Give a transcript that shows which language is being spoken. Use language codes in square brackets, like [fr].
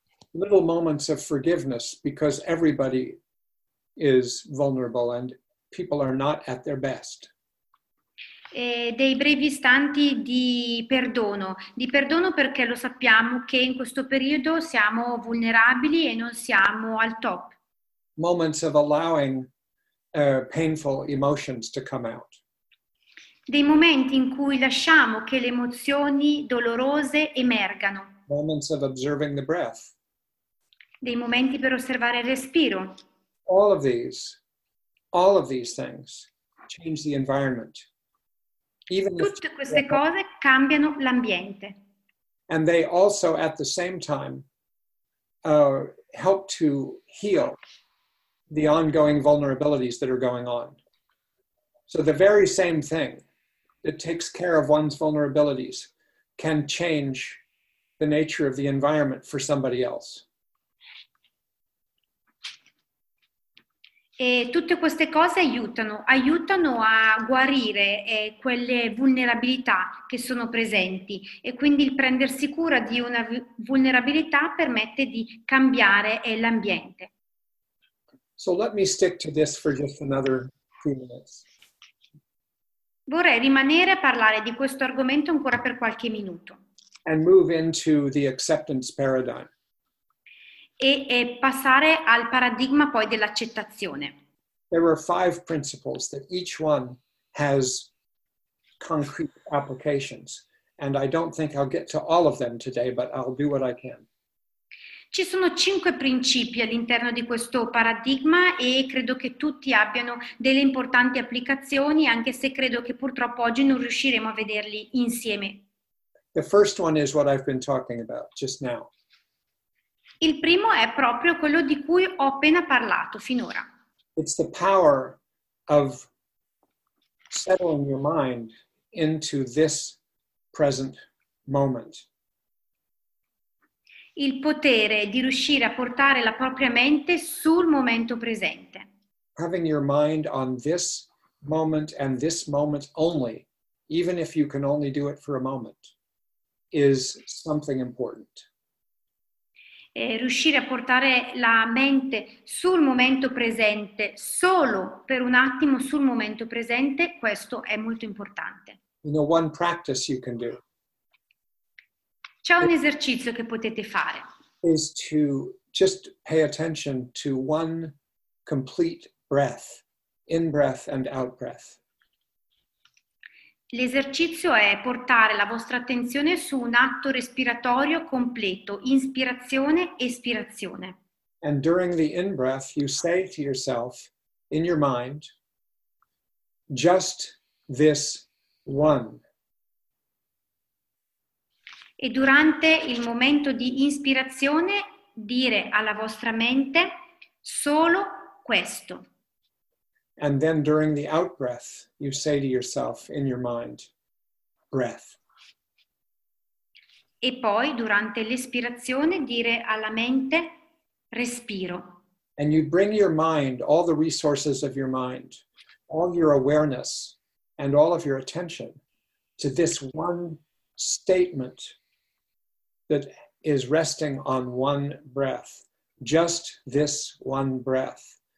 [en] Little moments of forgiveness because everybody is vulnerable and people are not at their best. [it] Dei brevi istanti di perdono perché lo sappiamo che in questo periodo siamo vulnerabili e non siamo al top. [en] Moments of allowing painful emotions to come out. [it] dei momenti in cui lasciamo che le emozioni dolorose emergano. [en] Moments of observing the breath. [it] Dei momenti per osservare il respiro. [en] All of these things change the environment. Even [it] tutte queste cose cambiano l'ambiente. [en] And they also, at the same time, help to heal the ongoing vulnerabilities that are going on. So the very same thing that takes care of one's vulnerabilities can change the nature of the environment for somebody else. [it] E tutte queste cose aiutano a guarire quelle vulnerabilità che sono presenti, e quindi il prendersi cura di una vulnerabilità permette di cambiare l'ambiente. [en] So let me stick to this for just another few minutes. [it] Vorrei rimanere a parlare di questo argomento ancora per qualche minuto. [en] And move into the acceptance paradigm. [it] E passare al paradigma poi dell'accettazione. [en] There are five principles that each one has concrete applications. And I don't think I'll get to all of them today, but I'll do what I can. [it] Ci sono cinque principi all'interno di questo paradigma e credo che tutti abbiano delle importanti applicazioni, anche se credo che purtroppo oggi non riusciremo a vederli insieme. [en] The first one is what I've been talking about just now. [it] Il primo è proprio quello di cui ho appena parlato finora. [en] It's the power of settling your mind into this present moment. [it] Il potere di riuscire a portare la propria mente sul momento presente. [en] Having your mind on this moment and this moment only, even if you can only do it for a moment, is something important. [it] E riuscire a portare la mente sul momento presente, solo per un attimo sul momento presente, questo è molto importante. [en] You know, one practice you can do. [it] C'è un esercizio che potete fare. [en] Is to just pay attention to one complete breath, in breath and out breath. [it] L'esercizio è portare la vostra attenzione su un atto respiratorio completo, inspirazione, espirazione. [en] And during the in breath, you say to yourself, in your mind, just this one. [it] E durante il momento di inspirazione dire alla vostra mente solo questo. [en] And then during the out breath you say to yourself in your mind breath. [it] E poi durante l'espirazione dire alla mente respiro. [en] And you bring your mind, all the resources of your mind, all your awareness and all of your attention to this one statement that is resting on one breath, just this one breath.